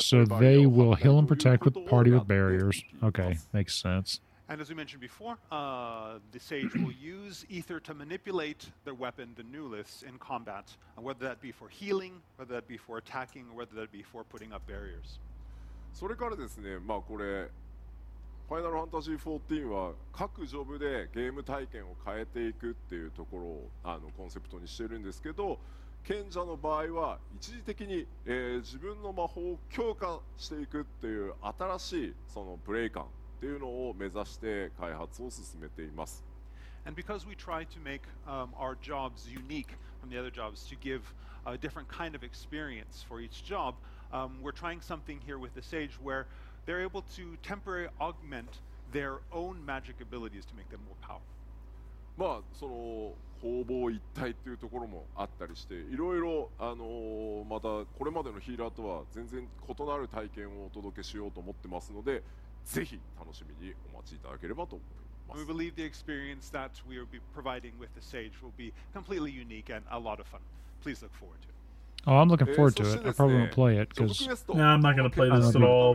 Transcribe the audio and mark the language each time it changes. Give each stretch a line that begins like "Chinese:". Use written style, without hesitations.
English: so they will heal and protect with the party with barriers. Okay, makes sense. And as we mentioned before, the Sage will use Aether to manipulate their weapon, the Nullis, in combat, whether that be for healing, whether that be for attacking, whether that be for putting up barriers.
Japanese: それからですね、まあこれ、Final Fantasy XIV は各ジョブでゲーム体験を変えていくっていうところをコンセプトにしているんですけど、賢者の場合は一時的に、自分の魔法を強化していくっていう新しいそのプレイ感。っていうのを目指して開発を進めています。
English: And because we try to make our jobs unique from the other jobs to give a different kind of experience for each job, we're trying something here with the Sage where they're able to temporarily augment their own magic abilities to make them more powerful.
Japanese: まあその攻防一体っていうところもあったりして、いろいろまたこれまでのヒーラーとは全然異なる体験をお届けしようと思ってますので。ぜひ楽しみにお待ちいただければと思いま
English: We believe the experience that we will be providing with the Sage will be completely unique and a lot of fun. Please look forward to it. Oh, I'm looking forward to it. I probably won't play it because I'm not going to play this at all.